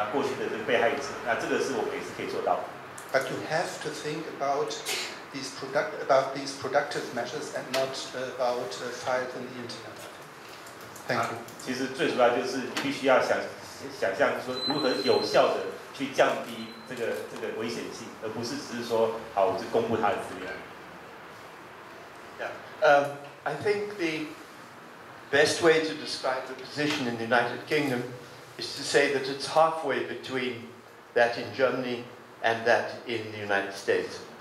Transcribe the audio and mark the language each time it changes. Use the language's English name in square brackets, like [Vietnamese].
[Chinese] 那当然，我们有时候我们也会用到所谓的这个电子监视，那也就是主要就是防止这个刑犯他比如说去接近啊过去的这个被害者，那这个是我们也是可以做到的。But [English] you have to think about these productive measures and not about files on the internet. Thank you. [Chinese] 其实最主要就是你必须要想想象说如何有效的去降低这个危险性，而不是只是说好我就公布他的资料。 [English] I think the best way to describe the position in the United Kingdom is to say that it's halfway between that in Germany and that in the United States.